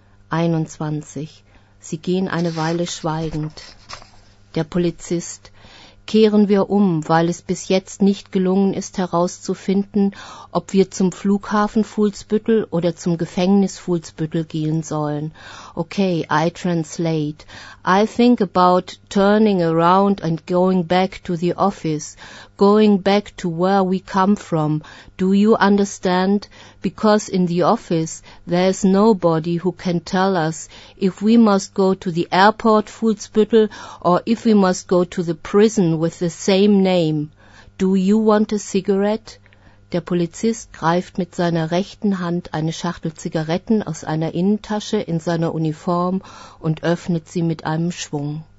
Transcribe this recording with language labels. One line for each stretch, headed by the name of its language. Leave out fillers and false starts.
German: 21. Sie gehen eine Weile schweigend. Der Polizist: Kehren wir um, weil es bis jetzt nicht gelungen ist, herauszufinden, ob wir zum Flughafen Fuhlsbüttel oder zum Gefängnis Fuhlsbüttel gehen sollen.
English: Okay, I translate. I think about turning around and going back to the office, going back to where we come from. Do you understand? Because in the office there is nobody who can tell us if we must go to the airport Fuhlsbüttel or if we must go to the prison with the same name. Do you want a cigarette?
German: Der Polizist greift mit seiner rechten Hand eine Schachtel Zigaretten aus einer Innentasche in seiner Uniform und öffnet sie mit einem Schwung.